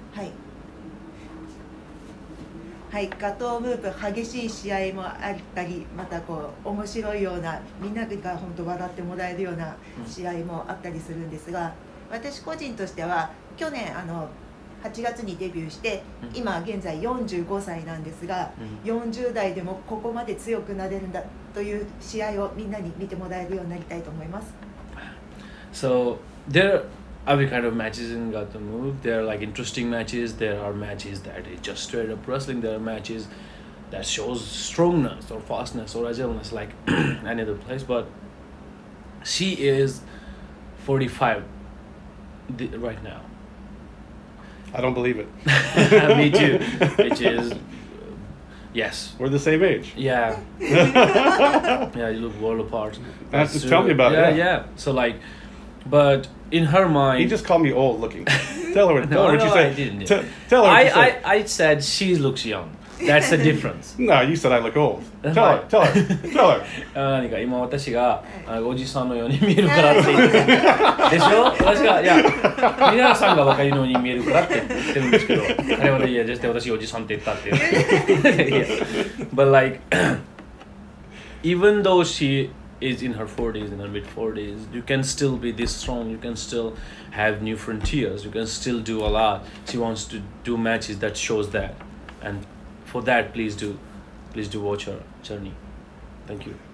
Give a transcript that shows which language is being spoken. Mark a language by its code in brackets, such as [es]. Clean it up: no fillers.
[ja] はい、はい、ガトムーブ激しい試合もあったり、またこう面白いようなみんなが本当笑ってもらえるような試合もあったりするんですが、うん、私個人としては去年あの8月にデビューして今現在45歳なんですが、40代でもここまで強くなれるんだという試合をみんなに見てもらえるようになりたいと思います。 [en] So there are every kind of matches in Gato Move. There are like interesting matches. There are matches that is just straight up wrestling. There are matches that shows strongness or fastness or agileness like any other place. But she is 45 right now. I don't believe it. Me too. Which is, yes. We're the same age. Yeah. Yeah, you look world apart. That's just tell me about yeah, it. Yeah, yeah. So like, but in her mind... He just called me old looking. Tell her, no, what you said. No, I didn't. Tell her what I, you said. I said she looks young. That's the difference. No, you said I look old. Tell her. [ja] 何か今私がおじさんのように見えるからって言ってた。でしょ？私が、いや、皆さんが若いのに見えるからって言ってるんですけど、彼は、ね、いや、絶対私おじさんって言ったって言って。 [en] But like, even though she is in her 40s, in her mid-40s, you can still be this strong, you can still have new frontiers, you can still do a lot. She wants to do matches that shows that. And... For that, please do watch her journey. Thank you.